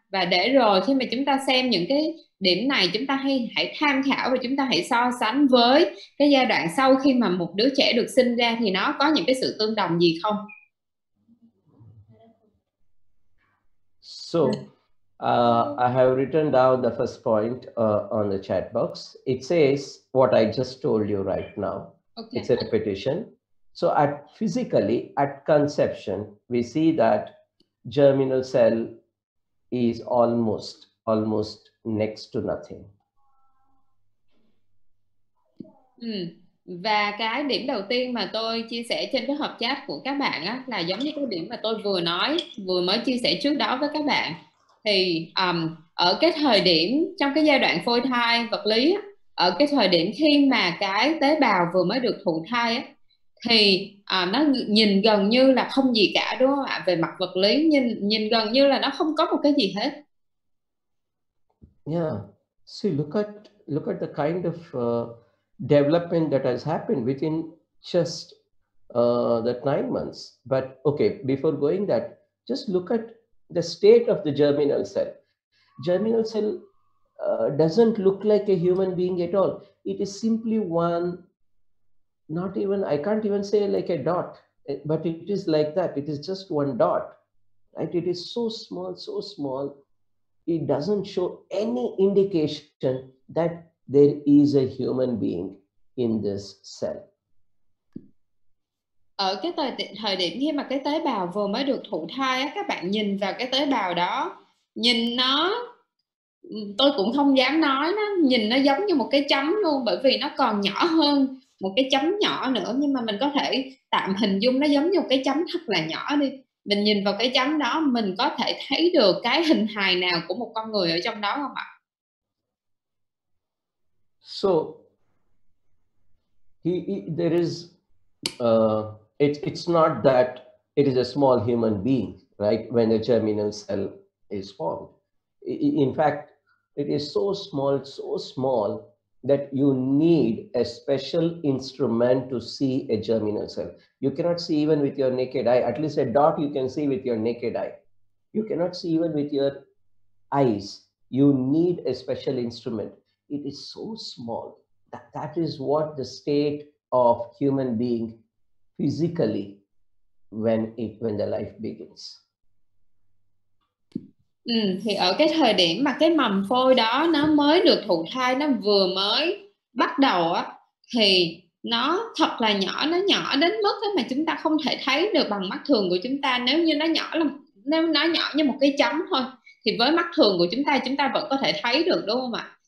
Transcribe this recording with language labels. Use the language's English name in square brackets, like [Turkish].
[Vietnamese] Và để rồi khi mà chúng ta xem những cái điểm này, chúng ta hãy tham khảo và chúng ta hãy so sánh với cái giai đoạn sau khi mà một đứa trẻ được sinh ra thì nó có những cái sự tương đồng gì không. [English] So, I have written down the first point on the chat box. It says what I just told you right now. Okay. It's a repetition. So, at conception, we see that germinal cell is almost next to nothing. [Vietnamese] Và cái điểm đầu tiên mà tôi chia sẻ trên cái hộp chat của các bạn á, là giống như cái điểm mà tôi vừa mới chia sẻ trước đó với các bạn. Thì ở cái thời điểm trong cái giai đoạn phôi thai vật lý á, ở cái thời điểm khi mà cái tế bào vừa mới được thụ thai á, thì nó nhìn gần như là không gì cả đúng không ạ? Về mặt vật lý nhìn gần như là nó không có một cái gì hết. [English] Yeah, see, look at the kind of development that has happened within just that 9 months. But okay, before going that, just look at the state of the germinal cell. Germinal cell doesn't look like a human being at all. It is simply one, not even, I can't even say like a dot, but it is like that. It is just one dot, right? It is so small. It doesn't show any indication that there is a human being in this cell. [Vietnamese] Ở cái thời điểm khi mà cái tế bào vừa mới được thụ thai á, các bạn nhìn vào cái tế bào đó, nhìn nó, tôi cũng không dám nói nó, nhìn nó giống như một cái chấm luôn, bởi vì nó còn nhỏ hơn một cái chấm nhỏ nữa, nhưng mà mình có thể tạm hình dung nó giống như một cái chấm thật là nhỏ đi. Mình nhìn vào cái chấm đó, mình có thể thấy được cái hình hài nào của một con người ở trong đó không ạ? [English] So he there is it's not that it is a small human being, right? When a germinal cell is formed, in fact it is so small that you need a special instrument to see a germinal cell. You cannot see even with your naked eye. At least a dot you can see with your naked eye. You cannot see even with your eyes. You need a special instrument. It is so small. That is what the state of human being physically when the life begins. [Vietnamese] Thì ở cái thời điểm mà cái mầm phôi đó nó mới được thụ thai, nó vừa mới bắt đầu á, thì nó thật là nhỏ, nó nhỏ đến mức mà chúng ta không thể thấy được bằng mắt thường của chúng ta. Nếu nó nhỏ như một cái chấm thôi thì với mắt thường của chúng ta vẫn có thể thấy được đúng không ạ?